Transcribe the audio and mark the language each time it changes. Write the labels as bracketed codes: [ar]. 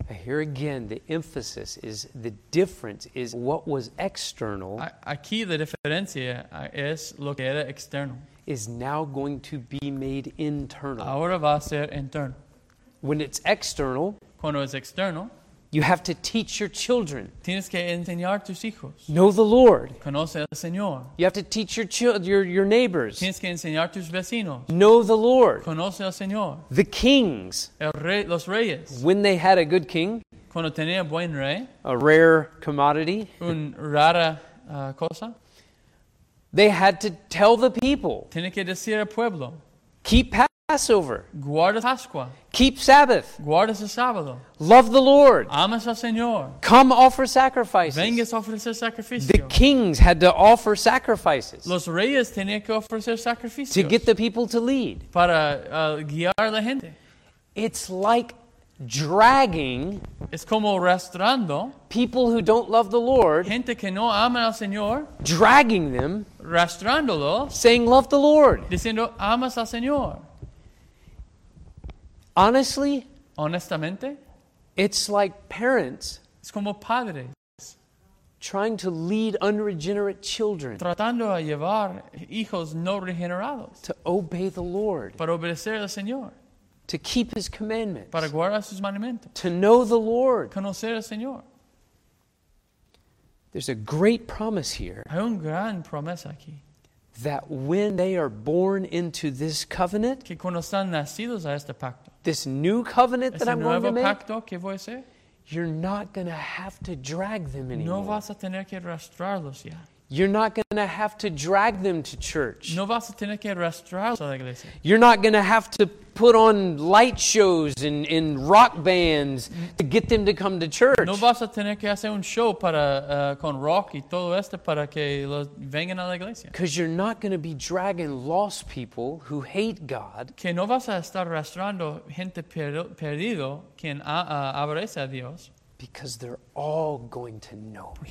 [en] Here again, the emphasis is the difference is what was external. [es] Aquí la diferencia es lo que era externo. [en] Is now going to be made internal. [es] Ahora va a ser interno. [en] When it's external, [es] cuando es externo, [en] you have to teach your children. [es] Tienes que enseñar tus hijos. [en] Know the Lord. [es] Conoce al Señor. [en] You have to teach your neighbors. [es] Tienes que enseñar tus vecinos. [en] Know the Lord. [es] Conoce al Señor. [en] The kings. [es] Los reyes. [en] When they had a good king. [es] Cuando tenía buen rey. [en] A rare commodity. [es] Un rara cosa. [en] They had to tell the people. [es] Tiene que decir al pueblo. [en] Keep Passover. [es] Guarda Pascua. [en] Keep Sabbath. [es] Guardas el sábado. [en] Love the Lord. [es] Amas al Señor. [en] Come offer sacrifices. [es] Vengas a ofrecer sacrificios. [en] The kings had to offer sacrifices. [es] Los reyes tenían que ofrecer sacrificios. [en] To get the people to lead. [es] Para guiar la gente. [en] It's like dragging. [es] Es como arrastrando. [en] People who don't love the Lord. [es] Gente que no ama al Señor. [en] Dragging them. [es] Arrastrándolo. [en] Saying love the Lord. [es] Diciendo amas al Señor. [en] Honestly, [es] honestamente, [en] it's like parents, [es] es como padres, [en] trying to lead unregenerate children, [es] tratando a llevar hijos no regenerados, [en] to obey the Lord, [es] para obedecer al Señor, [en] to keep his commandments, [es] para guardar sus mandamientos, [en] to know the Lord, [es] conocer al Señor. [en] There's a great promise here. [es] Hay una gran promesa aquí. [en] That when they are born into this covenant, [es] que cuando están nacidos a este pacto, [en] this new covenant [es] ese [en] that I'm going to make, [es] pacto que voy a hacer, [en] you're not going to have to drag them anymore. [es] No vas a tener que arrastrarlos ya. [en] You're not going to have to drag them to church. [es] No vas a tener que arrastrarlos a la iglesia. [en] You're not going to have to put on light shows and rock bands to get them to come to church. [es] No vas a tener que hacer un show para con rock y todo esto para que los vengan a la iglesia. [en] Because you're not going to be dragging lost people who hate God. [es] Que no vas a estar arrastrando gente perdido quien aborrece a Dios. [en] Because they're all going to know me.